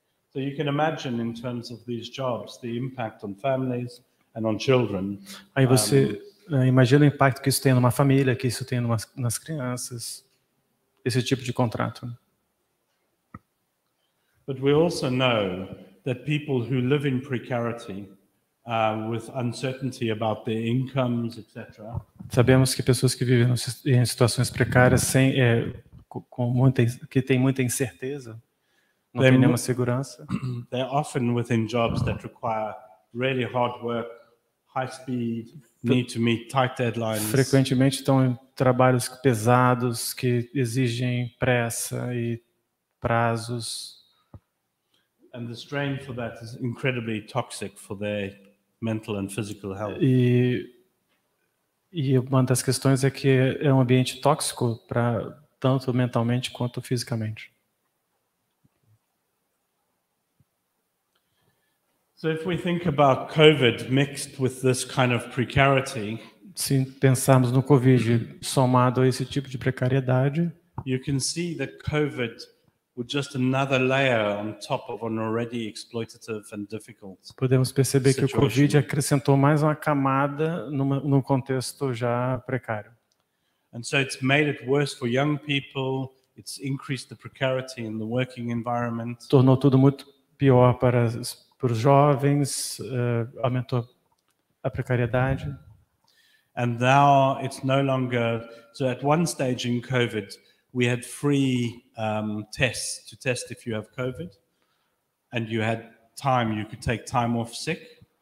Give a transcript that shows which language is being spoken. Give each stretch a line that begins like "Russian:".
English: So you can imagine in terms of these jobs, the impact on families and on children.
Portuguese: Aí você imagina o impacto que isso tem numa família, que isso tem nas crianças, esse tipo de contrato.
English: But we also know that people who live in precarity, with uncertainty about their incomes, etc.
Portuguese: Sabemos que pessoas que vivem em situações precárias, sem com muita, que tem muita incerteza, não tem nenhuma segurança.
English: They're often within jobs that require really hard work, high speed, need to meet tight deadlines.
Portuguese: Frequentemente estão em trabalhos pesados que exigem pressa e prazos.
English: And the strain for that is incredibly toxic for their mental and physical health.
Portuguese: E uma das questões é que é um ambiente tóxico para tanto mentalmente quanto fisicamente.
English: So if we think about COVID mixed with this kind of precarity,
Portuguese: se pensarmos no COVID somado a esse tipo de precariedade,
English: you can see that COVID with just another layer on top of an already exploitative and difficult.
Portuguese: Podemos perceber que o COVID acrescentou mais uma camada num contexto já precário.
English: And so it's made it worse for young people, it's increased the precarity in the working environment.
Portuguese: Tornou tudo muito pior para os jovens, aumentou a precariedade.
English: And now it's no longer so at one stage in COVID we had free tests to test if you have COVID, and you had time, you could take time off sick.